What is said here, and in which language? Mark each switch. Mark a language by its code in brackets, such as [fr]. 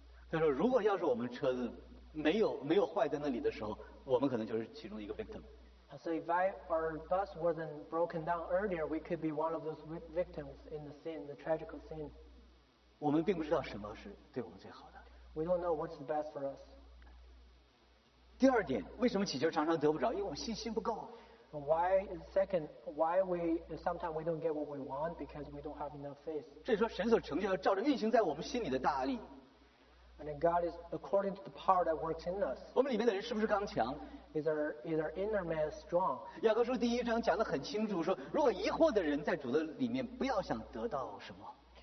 [zh] 他说，如果要是我们车子没有坏在那里的时候，我们可能就是其中一个 victim. [en] So if our bus wasn't broken down earlier, we could be one of those victims in the scene, the tragic scene. [zh] 我们并不知道什么是对我们最好的。 [en] We don't know what's the best for us. [zh] 第二点，为什么祈求常常得不着？因为我们信心不够。 [en] Why second? Why we sometimes we don't get what we want because we don't have enough faith? [zh] 这说神所成就照着运行在我们心里的大力。 [en] And God is according to the power that works in us. [zh] 我们里面的人是不是刚强？ [en] Is our inner man strong? [zh] 雅各书第一章讲得很清楚，说如果疑惑的人在主的里面，不要想得到什么。